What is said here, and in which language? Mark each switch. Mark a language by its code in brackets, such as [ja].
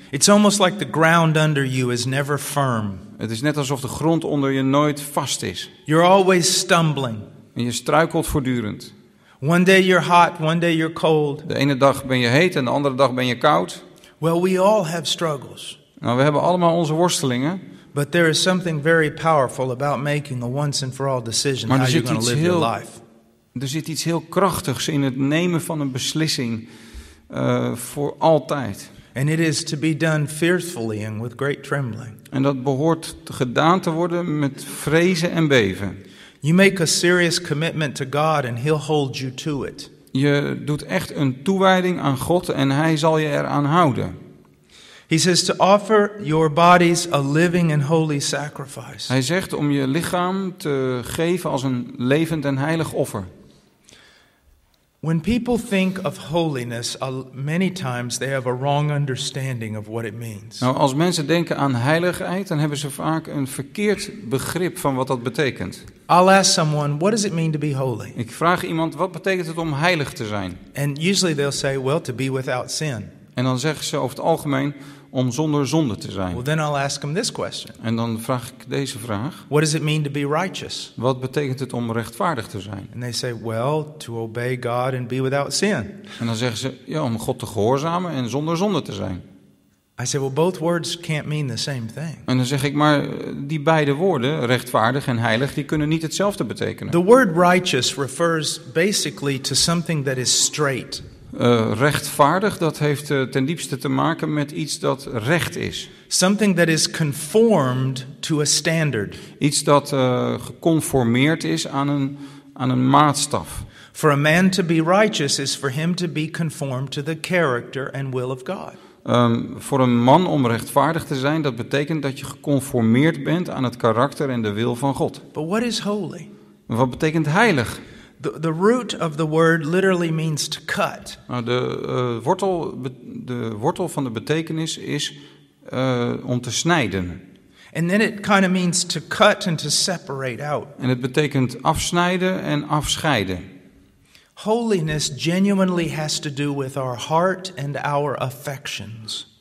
[en] It's almost like the ground under you is never firm. [nl] Het is net alsof de grond onder je nooit vast is. [en] You're always stumbling. [nl] En je struikelt voortdurend. [en] One day you're hot, one day you're cold. [nl] De ene dag ben je heet en de andere dag ben je koud. [en] Well, we all have struggles. [nl] Nou, we hebben allemaal onze worstelingen. [en] But there is something very powerful about making a once and for all decision how you're going to live your life. [nl] Er zit iets heel krachtigs in het nemen van een beslissing voor altijd. [en] And it is to be done fearfully and with great trembling. [nl] En dat behoort gedaan te worden met vrezen en beven. [en] You make a serious commitment to God and he'll hold you to it. [nl] Je doet echt een toewijding aan God en hij zal je eraan houden. [en] He says to offer your bodies a living and holy sacrifice. [nl] Hij zegt om je lichaam te geven als een levend en heilig offer. [en] When people think of holiness, many times they have a wrong understanding of what it means. [nl] Nou, als mensen denken aan heiligheid, dan hebben ze vaak een verkeerd begrip van wat dat betekent. [en] I'll ask someone, what does it mean to be holy? [nl] Ik vraag iemand, wat betekent het om heilig te zijn? [en] And usually they'll say, well, to be without sin. [nl] En dan zeggen ze over het algemeen om zonder zonde te zijn. [en] Well, then I'll ask him this question. [nl] En dan vraag ik deze vraag. [en] What does it mean to be righteous? [nl] Wat betekent het om rechtvaardig te zijn? [en] And they say, well, to obey God and be without sin. [nl] En dan zeggen ze, ja, om God te gehoorzamen en zonder zonde te zijn. [en] I say, well, both words can't mean the same thing. [nl] En dan zeg ik, maar die beide woorden, rechtvaardig en heilig, die kunnen niet hetzelfde betekenen. [en] The word righteous refers basically to something that is straight. [nl] Rechtvaardig, dat heeft ten diepste te maken met iets dat recht is. [en] Something that is conformed to a standard. [nl] Iets dat geconformeerd is aan een maatstaf. [en] For a man to be righteous is for him to be conformed to the character and will of God. [nl] Voor een man om rechtvaardig te zijn, dat betekent dat je geconformeerd bent aan het karakter en de wil van God. [en] But what is holy? [nl] Wat betekent heilig? [en] The root of the word literally means to cut. [nl] De wortel van de betekenis is om te snijden. [en] And then it kind of means to cut and to separate out. [nl] En het betekent afsnijden en afscheiden. [en] Holiness genuinely has to do with our heart and our affections.